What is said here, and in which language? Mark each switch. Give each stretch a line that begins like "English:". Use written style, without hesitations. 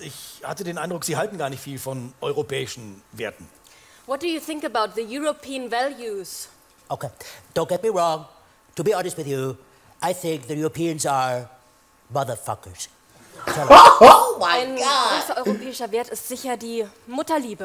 German: Ich hatte den Eindruck, Sie halten gar nicht viel von europäischen Werten.
English: What do you think about the European values? Okay, don't get me wrong. To be honest with you, I think the Europeans are motherfuckers. Oh my God!
German: Ein großer europäischer Wert ist sicher die Mutterliebe.